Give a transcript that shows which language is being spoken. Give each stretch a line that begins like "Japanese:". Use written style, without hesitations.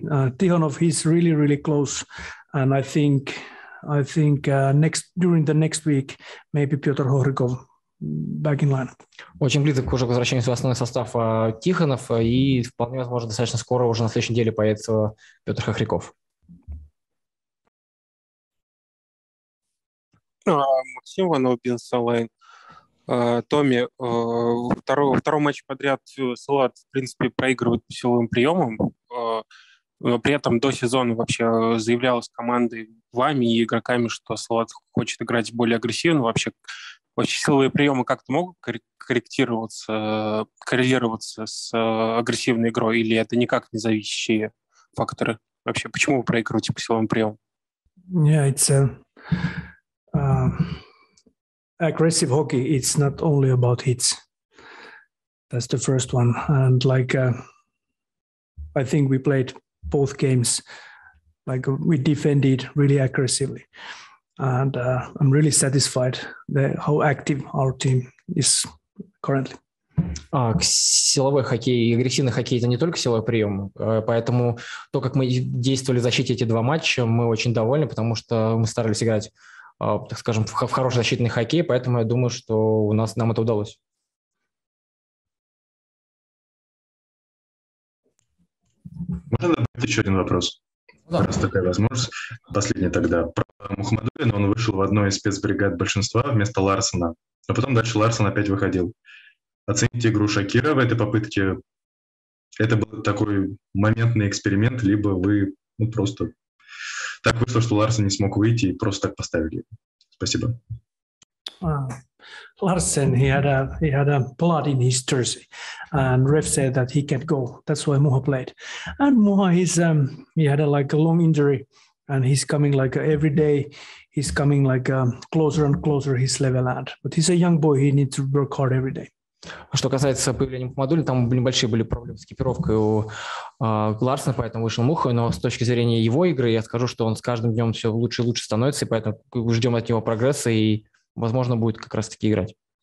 English: Tihonov, he's really, really close, and I think during the next week, maybe Piotr Horikov back in line.
Russian: Очень близок уже к возвращению в основной состав Тихонов, и вполне возможно достаточно скоро уже на следующей неделе появится Петр Хохряков. Максим Иванов, Бизнес Онлайн. Томми, второй матч подряд Салават, в принципе, проигрывает по силовым приемам. Но при этом до сезона вообще заявлялось командой вами и игроками, что Салават хочет играть более агрессивно. Вообще силовые приемы как-то могут коррелироваться с агрессивной игрой, или это никак не зависящие факторы? Вообще, почему вы проигрываете по силовым приемам? Yeah, it's aggressive hockey, it's not only about hits. That's the first one. And I think we played both games, we defended really aggressively. And I'm really satisfied how active our team is currently. Силовой хоккей и агрессивный хоккей – это не только силовой прием, поэтому то, как мы действовали в защите эти два матча, мы очень довольны, потому что мы старались играть, так скажем, в хороший защитный хоккей, поэтому я думаю, что у нас нам это удалось. Можно добавить еще один вопрос? Да. Раз такая возможность. Последний тогда. Про Мухаммадуллина, он вышел в одной из спецбригад большинства вместо Ларсена, а потом дальше Ларсен опять выходил. Оцените игру Шакира в этой попытке. Это был такой моментный эксперимент, либо вы просто... Так вышло, что Ларсен не смог выйти и просто так поставили. Спасибо.
English: Ларсен, he had a blood in his jersey, and ref said that he can't go. That's why Муха played. And Муха, he had a long injury, and he's coming every day. He's coming closer and closer his level at. But he's a young boy. He needs to work hard every day.
Russian: Что касается появления Мухаммадуллина, там небольшие были проблемы с экипировкой у Ларсена, поэтому вышел Муха, но с точки зрения его игры, я скажу, что он с каждым днем все лучше и лучше становится, и поэтому ждем от него прогресса, и, возможно, будет как раз-таки играть.